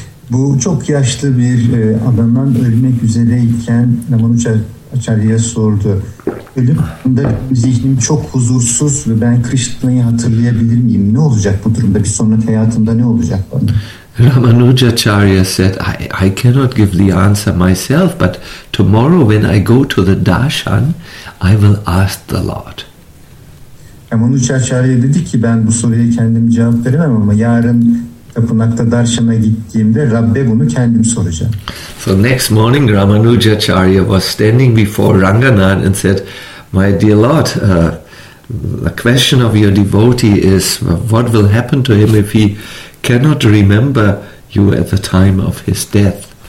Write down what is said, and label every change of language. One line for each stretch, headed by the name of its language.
Turkish: Bu çok yaşlı bir adamdan ölmek üzereyken Ramanujacharya sordu. Ölümde zihnim çok huzursuz ve ben Krishna'yı hatırlayabilir miyim? Ne olacak bu durumda? Bir sonraki hayatımda ne olacak bana?
English: Ramanujacharya said, I cannot give the answer myself, but tomorrow when I go to the darshan, I will ask the Lord.
Turkish: Ramanujacharya dedi ki, ben bu soruya kendim cevap veremem ama yarın tapınakta darshana gittiğimde Rabbe bunu kendim soracağım.
English: So next morning Ramanujacharya was standing before Ranganath and said, my dear Lord, the question of your devotee is, what will happen to him if he cannot remember you at the time of his death?